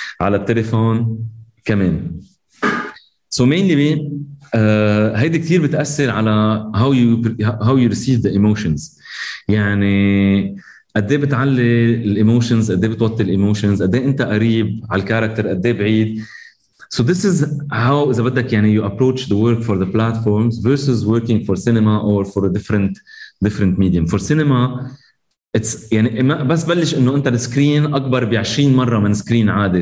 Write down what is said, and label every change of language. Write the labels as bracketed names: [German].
[Arabic] على التليفون, كمان. [English] So mainly, [Arabic] هيدي كتير بتأثر على [English] how you receive the emotions. [Arabic] يعني, قدي بتعلي الإيموشنز, قدي بتوطي الإيموشنز, قدي أنت قريب على الكاركتر, قدي بعيد. [English] So this is how, [Arabic] إذا بدك, يعني [English] you approach the work for the platforms versus working for cinema or for a different medium. [Arabic] For cinema, it's يعني بس بلش إنه أنت السكرين أكبر بعشرين مرة من سكرين عادي.